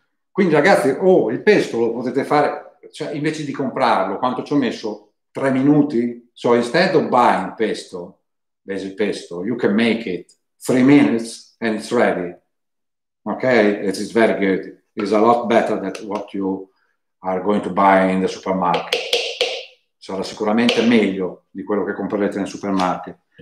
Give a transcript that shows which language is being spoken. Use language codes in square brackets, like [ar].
[it] Quindi ragazzi, oh, il pesto lo potete fare, cioè invece di comprarlo, quanto ci ho messo? 3 minuti? [en] So instead of buying pesto, basil pesto, you can make it 3 minutes and it's ready. Okay, it is very good. It's a lot better than what you are going to buy in the supermarket. [it] Sarà sicuramente meglio di quello che comprerete nel supermarket.